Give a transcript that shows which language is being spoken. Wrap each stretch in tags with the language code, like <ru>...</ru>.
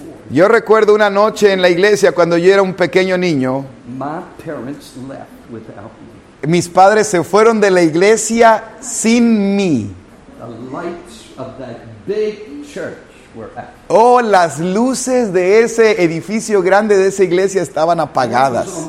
<es>Yo recuerdo una noche en la iglesia cuando yo era un pequeño niño.</es> <en>My parents left without me.</en> <es>Mis padres se fueron de la iglesia sin mí.</es> <en>The lights of that big church were out.</en> <es>Oh, las luces de ese edificio grande de esa iglesia estaban apagadas.</es>